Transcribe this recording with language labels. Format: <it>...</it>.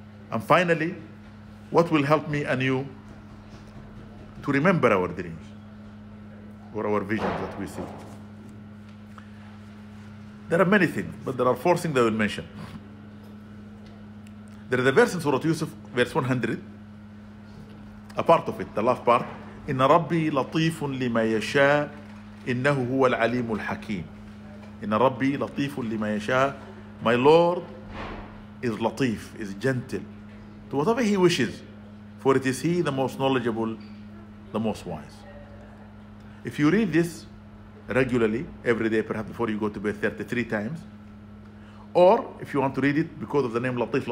<en>And finally, what will help me and you to remember our dreams or our visions that we see? There are many things, but there are four things that I will mention. There is a verse in Surah Yusuf, verse 100, a part of it, the last part.</en> <ar>إن ربي لطيف لما يشاء إنه هو العليم الحكيم. إن ربي لطيف لما يشاء.</ar> <en>My Lord is latif, is gentle to whatever He wishes, for it is He the most knowledgeable, the most wise. If you read this regularly, every day, perhaps before you go to bed 33 times, or if you want to read it because of the name Latif.</en>